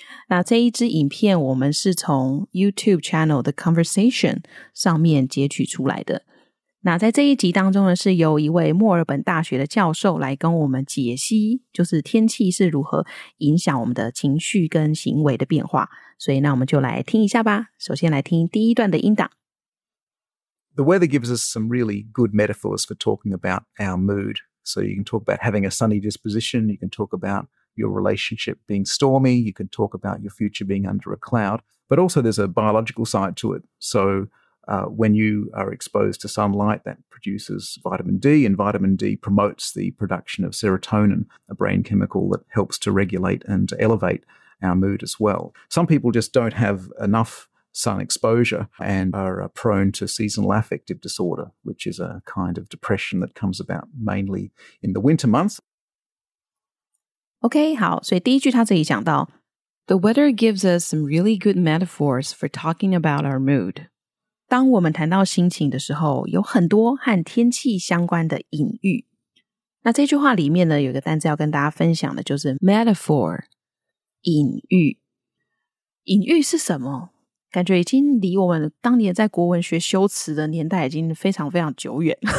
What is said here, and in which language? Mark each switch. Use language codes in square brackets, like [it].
[zh] 那这一支影片我们是从 YouTube channel 的 Conversation 上面截取出来的。那在这一集当中呢，是由一位墨尔本大学的教授来跟我们解析，就是天气是如何影响我们的情绪跟行为的变化。所以那我们就来听一下吧。首先来听第一段的音档。 [en] The weather gives us some really good metaphors for talking about our mood. So you can talk about having a sunny disposition, you can talk about your relationship being stormy, you can talk about your future being under a cloud, but also there's a biological side to it. So when you are exposed to sunlight, that produces vitamin D, and vitamin D promotes the production of serotonin, a brain chemical that helps to regulate and elevate our mood as well. Some people just don't have enough sun exposure and are prone to seasonal affective disorder, which is a kind of depression that comes about mainly in the winter months. OK, [zh] 好，所以第一句他这里讲到 [en] The weather gives us some really good metaphors for talking about our mood. [zh] 当我们谈到心情的时候，有很多和天气相关的隐喻。那这句话里面呢，有一个单字要跟大家分享的，就是 metaphor, 隐喻。隐喻是什么？感觉已经离我们当年在国文学修辞的年代已经非常非常久远。